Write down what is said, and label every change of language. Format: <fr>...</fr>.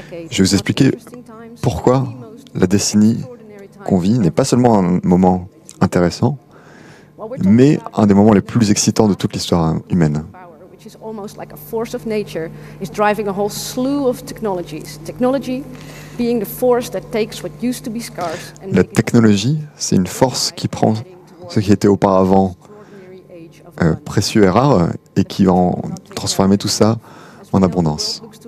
<fr>Je vais vous expliquer pourquoi la décennie qu'on vit n'est pas seulement un moment intéressant, mais un des moments les plus excitants de toute l'histoire humaine.</fr> <en>Is almost like a force of nature is driving a whole slew of technologies. Technology being the force that takes what used to be scarce.</en> <fr>La technologie, c'est une force qui prend ce qui était auparavant précieux et rare et qui va transformer tout ça en abondance.</fr>